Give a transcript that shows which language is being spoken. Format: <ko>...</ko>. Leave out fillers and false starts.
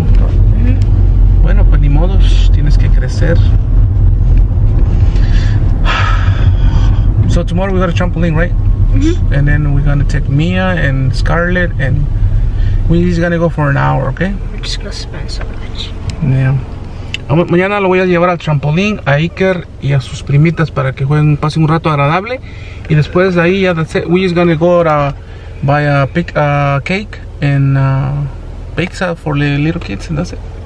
<es>Mm-hmm. Bueno, pues ni modos. Tienes que crecer.</es> <en>So tomorrow we got a trampoline, right? Mm-hmm. And then we're gonna take Mia and Scarlett, and we're just gonna go for an hour, okay? We're just gonna spend so much. Yeah.</en> <es>Mañana lo voy a llevar al trampolín, a Iker y a sus primitas para que jueguen, pasen un rato agradable. Y después de ahí, ya</es> <en>we're just gonna go to buy a cake and pizza for the little kids, and that's it.</en>